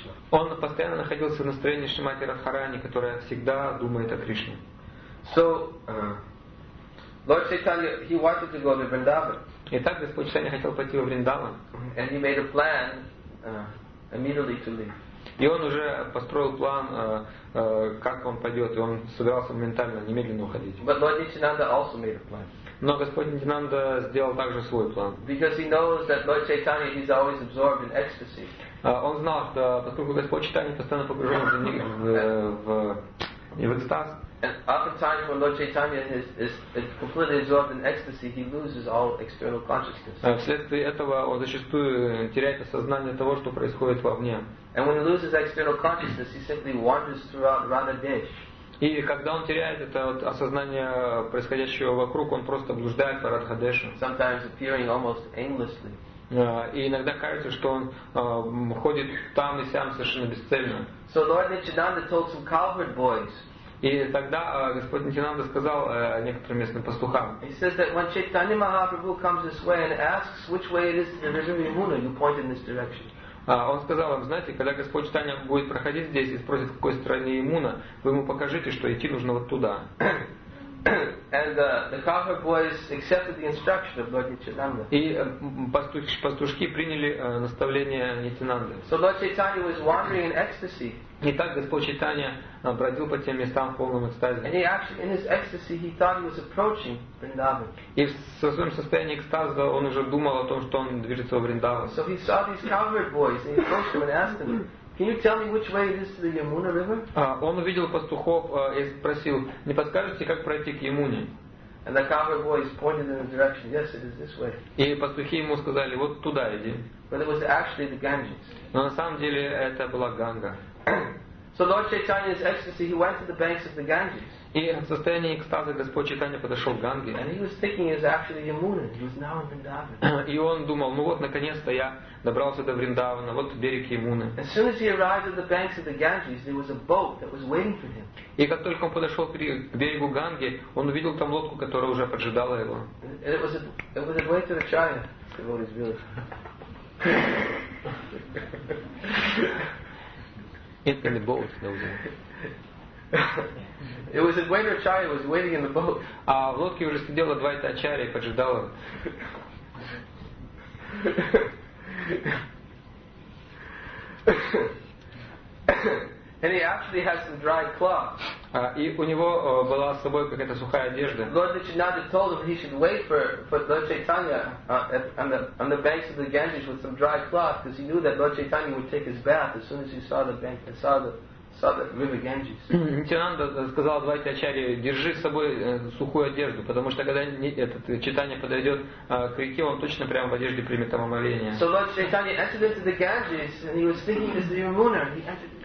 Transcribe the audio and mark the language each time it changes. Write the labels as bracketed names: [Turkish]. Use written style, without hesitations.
[Russian] Он постоянно находился в настроении Шримати Радхарани, которая всегда думает о Кришне. [English] So, Lord Chaitanya, he wanted to go to Vrindavan. [Russian] И так Господь Чайтанья хотел пойти в Вриндаван. [English] And he made a plan immediately to leave. [Russian] И он уже построил план, как он пойдет, и он собирался моментально, немедленно уходить. [English] But Lord Nityananda also made a plan. [Russian] Но Господь Нитинанда сделал также свой план. [English] Because he knows that Lord Chaitanya is always absorbed in ecstasy. [Russian] Он знал, что поскольку Господь Чайтанья постоянно погружен в экстаз. [English] And oftentimes when Lord Chaitanya is completely absorbed in ecstasy, he loses all external consciousness. [Russian] Вследствие этого он зачастую теряет осознание того, что происходит вовне. [English] And when he loses external consciousness, he simply wanders throughout Radha Desh. [Russian] И когда он теряет это вот осознание происходящего вокруг, он просто блуждает по Радха Деше. [English] Sometimes appearing almost aimlessly. [Russian] И иногда кажется, что он ходит там и сям совершенно бесцельно. [English] So Lord Nityananda told some cowherd boys. [Russian] И тогда Господь Нитинанда сказал некоторым местным пастухам. [English] He says that when Chaitanya Mahaprabhu comes this way and asks which way it is to the river Yamuna, you point in this direction. [Russian] Он сказал им, знаете, когда Господь Чайтанья будет проходить здесь и спросит, в какой стране Ямуна, вы ему покажите, что идти нужно вот туда. [English] And the cowherd boys accepted the instruction of Lord Nityananda. [Russian] И пастушки приняли наставление Нитинанды. [English] So Lord Chaitanya was wandering in ecstasy. [Russian] И так Господь Чайтанья бродил по тем местам в полном экстазе. [English] And he actually, in his ecstasy, he thought he was approaching Vrindavan. [Russian] И в своем состоянии экстаза он уже думал о том, что он движется в Вриндаван. [English] So he saw these cowherd boys and he approached them and asked them, can you tell me which way it is to the Yamuna River? [Russian] Он увидел пастухов и спросил, не подскажете, как пройти к Ямуне? [English] And the cowherd boys pointed in the direction, yes, it is this way. [Russian] И пастухи ему сказали, вот туда иди. [English] But it was actually the Ganges. [Russian] Но на самом деле это была Ганга. [English] So Lord Chaitanya's ecstasy, he went to the banks of the Ganges. [Russian] И в состоянии экстаза Господь Чайтанья подошел к Ганге. [English] And he was thinking it was actually Yamuna. He was now in Vrindavan. [Russian] И он думал, ну вот наконец-то я добрался до Вриндавана, вот берег Ямуны. [English] As soon as he arrived at the banks of the Ganges, there was a boat that was waiting for him. [Russian] И как только он подошел к берегу Ганги, он увидел там лодку, которая уже поджидала его. [English] It was a way to the Chaya, the devotee's village. It's in the boat, no It was a waiter Acharya was waiting in the boat. [Russian] А в лодке уже сидела Двайта Ачарья и поджидала. [English] And he actually has some dry cloth. [Russian] И у него была с собой какая-то сухая одежда. [English] Lord Nityananda told him he should wait for Lord Chaitanya on the banks of the Ganges with some dry cloth, because he knew that Lord Chaitanya would take his bath as soon as he saw the bank and saw the river Ganges. [Russian] Nityananda сказал Двайте Ачарье, держи с собой сухую одежду, потому что когда этот Чайтанья подойдет к реке, он точно прямо в одежде примет омовение. [English] So Lord Chaitanya entered into the Ganges and he was thinking it was the Yamuna.